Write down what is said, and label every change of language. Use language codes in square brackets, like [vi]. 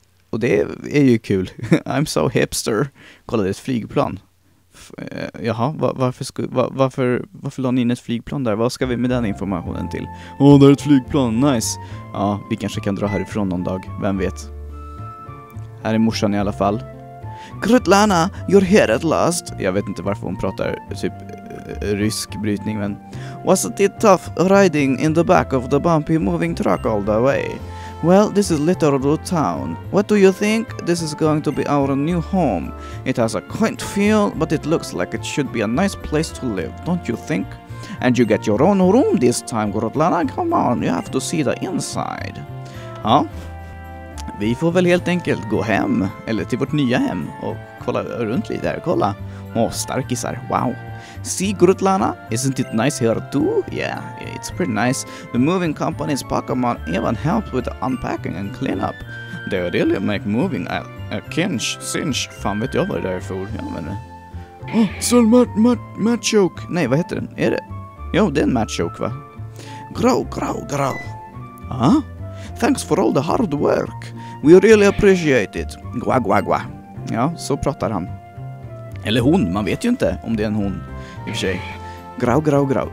[sv] Och det är ju kul. [en] I'm so hipster. [sv] Kolla, det är ett flygplan. Jaha, varför la ni in ett flygplan där? Vad ska vi med den informationen till? Åh, det är ett flygplan, nice. Ja, vi kanske kan dra härifrån någon dag. Vem vet. Här är morsan i alla fall. [en] Grutlana, you're here at last. [sv] Jag vet inte varför hon pratar typ rysk brytning, men [en] was it tough riding in the back of the bumpy moving truck all the way? Well, this is Little Town. What do you think? This is going to be our new home. It has a quaint feel, but it looks like it should be a nice place to live, don't you think? And you get your own room this time, Grutlana. Come on, you have to see the inside. [sv] Ja, vi får väl helt enkelt gå hem, eller till vårt nya hem, och kolla runt lite här. Kolla. Åh, starkisar. Wow. [en] See, [sv] Grutlana? [en] Isn't it nice here too? Yeah, it's pretty nice. The moving company's Pokemon even helped with the unpacking and cleanup. They really make moving a cinch. Cinch. [sv] Fan, vet jag vad det är för. Jag menar. Oh, Machoke. Nej, vad heter den? Är det? Jo, det är en Machoke, va? Grow, grow, grow. Huh? [en] Thanks for all the hard work. We really appreciate it. [sv] Gua, gua, gua. Ja, så pratar han. Eller hon, man vet ju inte om det är en hon i och för sig. Grow, grow, grow.